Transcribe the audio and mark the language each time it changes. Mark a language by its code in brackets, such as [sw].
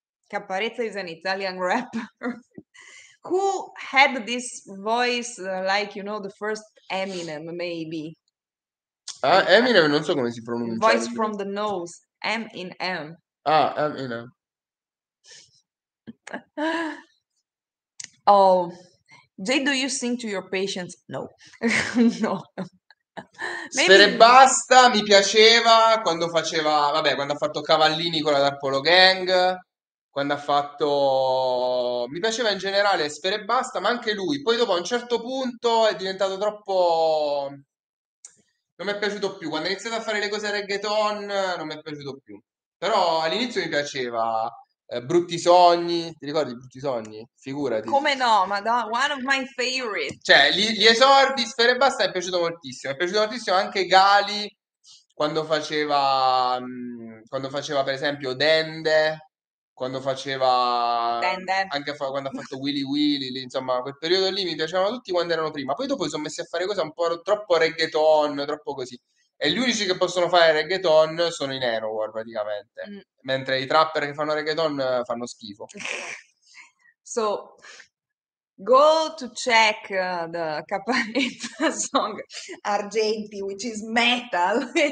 [en] Caparezza is an Italian rapper who had this voice, like, you know, the first Eminem, maybe. [it] Eminem, non so come si pronuncia. [en] Voice from the nose, M in M. Ah, M in M. Oh, Jay, do you sing to your patients? No. No. Maybe. [it] Sfere Basta, mi piaceva, quando faceva, vabbè, quando ha fatto Cavallini con la Darpolo Gang. Quando ha fatto, mi piaceva in generale Sfere Basta, ma anche lui. Poi dopo a un certo punto è diventato troppo, non mi è piaciuto più. Quando ha iniziato a fare le cose reggaeton non mi è piaciuto più. Però all'inizio mi piaceva Brutti Sogni, ti ricordi Brutti Sogni? Figurati. Come no, Madonna, [en] one of my favorite. [it] Cioè, gli esordi Sfere Basta è piaciuto moltissimo. È piaciuto moltissimo anche Gali quando faceva per esempio Dende. Quando faceva quando ha fatto Willy, insomma, quel periodo lì mi piacevano tutti quando erano prima. Poi dopo si sono messi a fare cose un po' troppo reggaeton, troppo così. E gli unici che possono fare reggaeton sono i Nerowar, praticamente. Mm. Mentre i trapper che fanno reggaeton fanno schifo. [en] So, go to check the Caparezza song Argenti, which is metal.